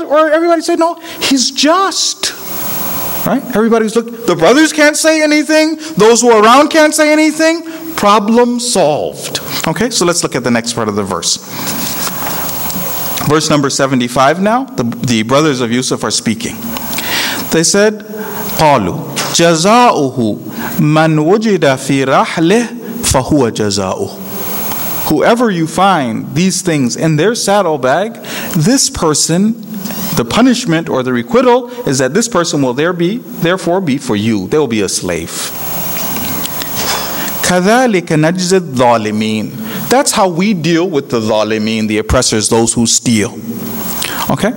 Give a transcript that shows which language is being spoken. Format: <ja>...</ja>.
<en>Or everybody said, no, he's just. Right? Everybody's looked. The brothers can't say anything. Those who are around can't say anything. Problem solved. Okay, so let's look at the next part of the verse. Verse number 75 now. The brothers of Yusuf are speaking. They said,</en> <ar>قَالُوا جَزَاؤُهُ مَنْ وُجِدَ فِي رَحْلِهِ فَهُوَ جَزَاؤُهُ.</ar> <en>Whoever you find these things in their saddlebag, this person, the punishment or the requital is that this person will therefore be for you. They will be a slave.</en> <ar>كَذَلِكَ نَجْزِ الظَّالِمِينَ.</ar> <en>That's how we deal with the ظَالِمِينَ, the oppressors, those who steal. Okay?</en>